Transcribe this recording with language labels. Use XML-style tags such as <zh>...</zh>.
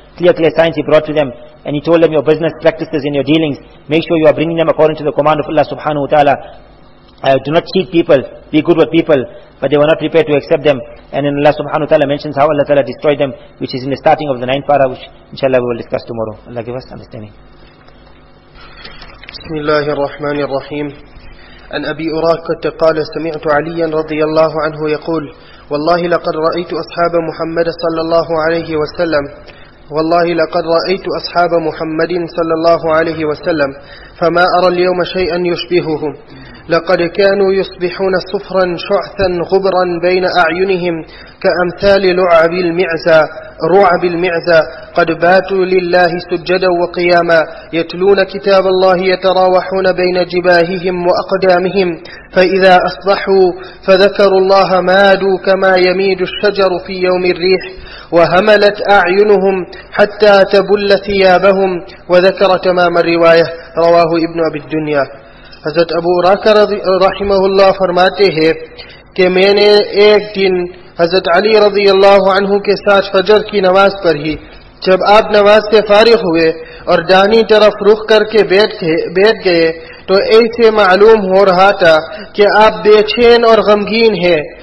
<en>Clear signs he brought to them. And he told them, your business practices and your dealings, make sure you are bringing them according to the command of Allah subhanahu wa ta'ala. Do not cheat people, be good with people. But they were not prepared to accept them. And then Allah subhanahu wa ta'ala mentions how Allah ta'ala destroyed them, which is in the starting of the ninth para, which inshallah we will discuss tomorrow. Allah give us understanding.</en> <ar>Bismillah ar-Rahman ar-Rahim. An Abi Uraqat qala sami'tu Aliyan radiyallahu anhu yaqul, والله لقد رأيت أصحاب محمد صلى الله عليه وسلم والله لقد رأيت أصحاب محمد صلى الله عليه وسلم فما أرى اليوم شيئا يشبههم لقد كانوا يصبحون صفرا شعثا غبرا بين أعينهم كأمثال لعب المعزى رعب المعزى قد باتوا لله سجدا وقياما يتلون كتاب الله يتراوحون بين جباههم وأقدامهم فإذا أصبحوا فذكروا الله مادوا كما يميد الشجر في يوم الريح وهملت أعينهم حتى تبل ثيابهم وذكر تمام الرواية رواه ابن أبي الدنيا.</ar> <ur>حضرت ابو راکہ رحمہ اللہ فرماتے ہیں کہ میں نے ایک دن حضرت علی رضی اللہ عنہ کے ساتھ فجر کی نماز پڑھی. جب آپ نماز سے فارغ ہوئے اور دانی طرف رخ کر کے بیٹھ گئے تو ایسے معلوم ہو رہا تھا کہ آپ بے چین اور غمگین ہیں.</ur>